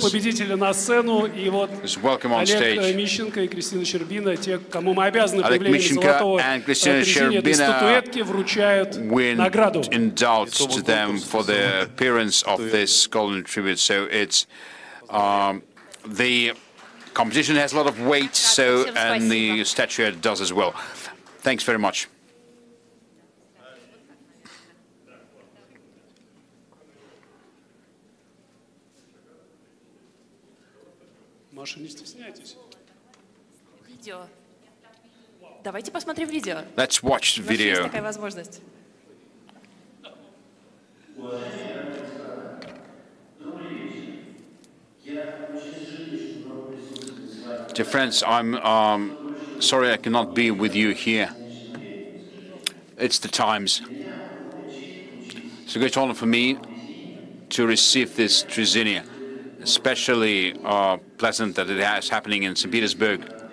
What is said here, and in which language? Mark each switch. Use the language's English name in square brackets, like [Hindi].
[Russian] Победителя на сцену, и вот [English] welcome on [Russian] Олег [English] stage. [Russian] Олег Мищенко и Кристина Щербина, те, кому мы обязаны появлением золотого Трезини, этой статуэтки вручают награду. [English] In doubt to them for the appearance of this golden tribute. So it's the competition has a lot of weight, so and the statuette does as well. Thanks very much. [Russian] Маша, не стесняйтесь. Видео. Давайте посмотрим видео. [English] Let's watch the video. [Russian] Есть такая возможность. [English] Dear friends, I'm sorry I cannot be with you here. It's the times. It's a great honor for me to receive this Trezzini, especially pleasant that it has happening in St. Petersburg.